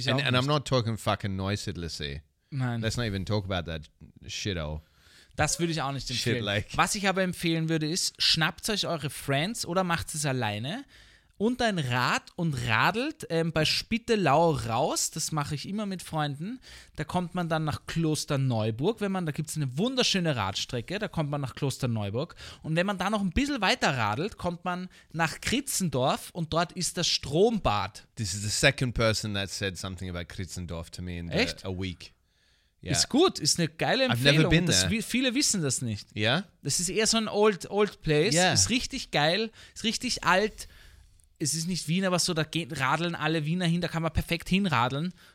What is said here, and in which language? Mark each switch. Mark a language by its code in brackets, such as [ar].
[en] And I'm not talking fucking Neusiedlersee. [de] Nein. [en] Let's not even talk about that shit all. [de] Das würde ich auch nicht empfehlen. Shit-like. Was ich aber empfehlen würde ist, schnappt euch eure Friends oder macht es alleine und ein Rad und radelt bei Spittelau raus. Das mache ich immer mit Freunden. Da kommt man dann nach Klosterneuburg. Da gibt es eine wunderschöne Radstrecke. Da kommt man nach Klosterneuburg. Und wenn man da noch ein bisschen weiter radelt, kommt man nach Kritzendorf und dort ist das Strombad. [en] This is the second person that said something about Kritzendorf to me in a week. Yeah. [de] Ist gut, ist eine geile Empfehlung. [en] I've never been there. [de] Viele wissen das nicht. [en] Yeah? [de] Das ist eher so ein [en] old place. [de] Yeah. Ist richtig geil, ist richtig alt. Es ist nicht Wien, aber so, da radeln alle Wiener hin, da kann man perfekt hinradeln.